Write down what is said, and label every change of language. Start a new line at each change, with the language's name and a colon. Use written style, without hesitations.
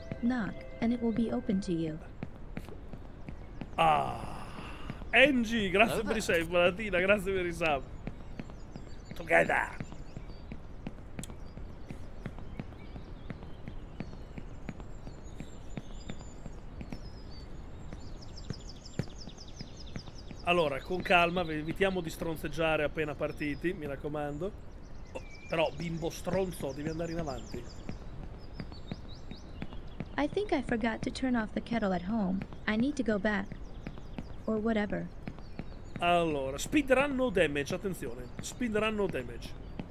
English: Knock and it will be open to you.
Italian: Ah, Angie, grazie per i sei, Valentina, grazie per i sub. Together. Allora, con calma, vi evitiamo di stronzeggiare appena partiti, mi raccomando. Però, bimbo stronzo, devi andare in avanti.
English: I think I forgot to turn off the kettle at home. I need to go back. Or whatever.
Italian: Allora,
English: speedrun no damage,
Italian: attenzione.
English: Speedrun no damage.